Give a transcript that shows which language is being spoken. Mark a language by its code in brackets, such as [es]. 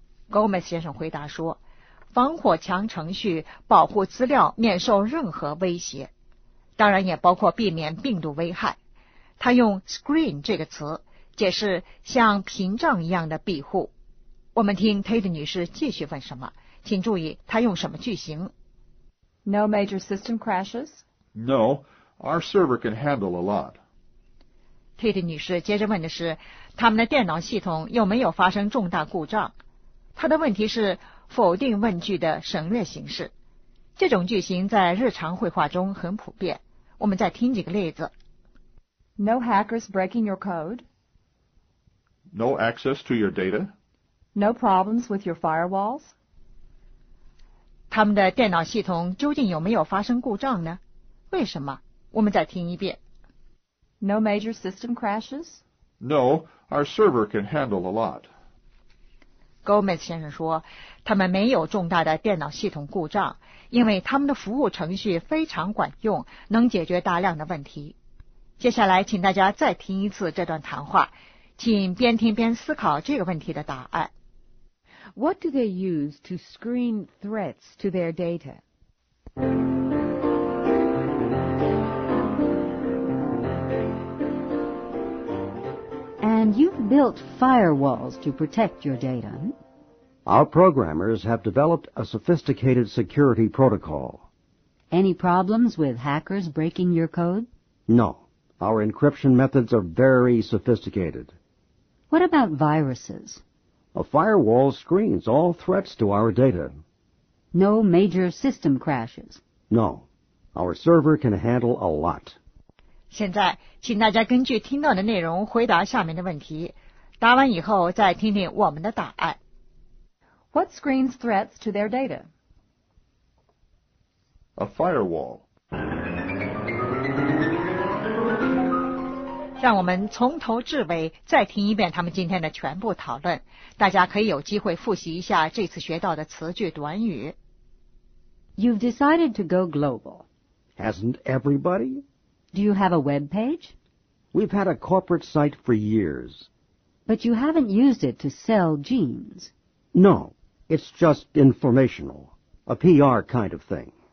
[zh] Gomez 先生回答说，防火墙程序保护资料免受任何威胁，当然也包括避免病毒危害。他用 screen 这个词解释像屏障一样的庇护。我们听 Tate 女士继续问什么，请注意她用什么句型。 [en] No major system crashes? No, our server can handle a lot. [zh] Tate 女士接着问的是他们的电脑系统有没有发生重大故障。她的问题是否定问句的省略形式，这种句型在日常会话中很普遍。我们再听几个例子。 [en] No hackers breaking your code? No access to your data? No problems with your firewalls? [zh] 他们的电脑系统究竟有没有发生故障呢？为什么？我们再听一遍。 [en] No major system crashes? No, our server can handle a lot. [zh] Gomez 先生说，他们没有重大的电脑系统故障，因为他们的服务程序非常管用，能解决大量的问题。接下来，请大家再听一次这段谈话，请边听边思考这个问题的答案。 [en] What do they use to screen threats to their data? And you've built firewalls to protect your data. Our programmers have developed a sophisticated security protocol. Any problems with hackers breaking your code? No. Our encryption methods are very sophisticated. What about viruses? A firewall screens all threats to our data. No major system crashes. No. Our server can handle a lot. [zh] 现在请大家根据听到的内容回答下面的问题。答完以后再听听我们的答案。 [en] What screens threats to their data? A firewall. [zh] 让我们从头至尾再听一遍他们今天的全部讨论，大家可以有机会复习一下这次学到的词句短语。 [en] You've decided to go global. Hasn't everybody? Do you have a web page? We've had a corporate site for years. But you haven't used it to sell jeans. No, it's just informational, a PR kind of thing.